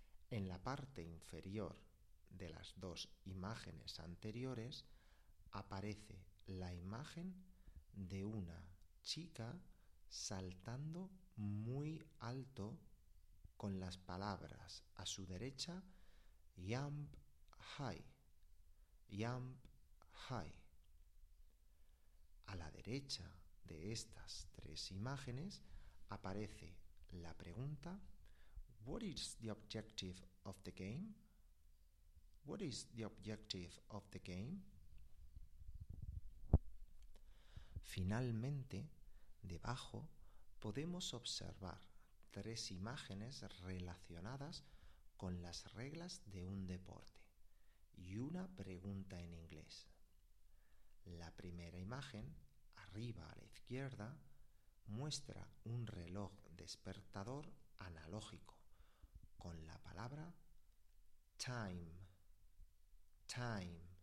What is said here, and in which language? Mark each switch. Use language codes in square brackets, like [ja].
[es] En la parte inferior de las dos imágenes anteriores aparece la imagen de una chica saltando muy alto con las palabras a su derecha [en] jump high. Jump high. [es] A la derecha de estas tres imágenes aparece la pregunta: [en] What is the objective of the game? What is the objective of the game? [es] Finalmente, debajo podemos observar tres imágenes relacionadas con las reglas de un deporte y una pregunta en inglés. La primera imagen, arriba a la izquierda, muestra un reloj despertador analógico con la palabra time. Time.